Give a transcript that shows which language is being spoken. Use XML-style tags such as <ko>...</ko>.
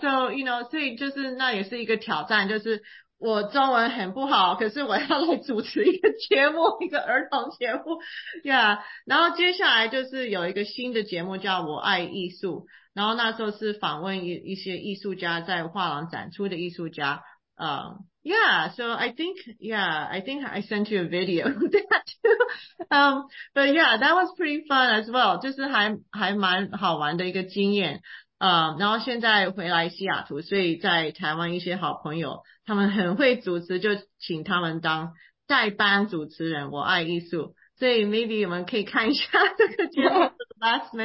<en>So, you know,</en> <zh>所以就是那也是一个挑战，就是我中文很不好，可是我要来主持一个节目，一个儿童节目。</zh> <en>Yeah.</en> <zh>然后接下来就是有一个新的节目叫我爱艺术。然后那时候是访问一些艺术家，在画廊展出的艺术家。</zh> <en>Yeah, so I think I sent you a video of that too. But yeah, that was pretty fun as well.</en> <zh>就是还蛮好玩的一个经验。然后现在回来西雅图，所以在台湾一些好朋友，他们很会主持，就请他们当代班主持人，我爱艺术。所以</zh> <en>maybe</en> <zh>我们可以看一下这个节目的</zh> <en>last minute。</en>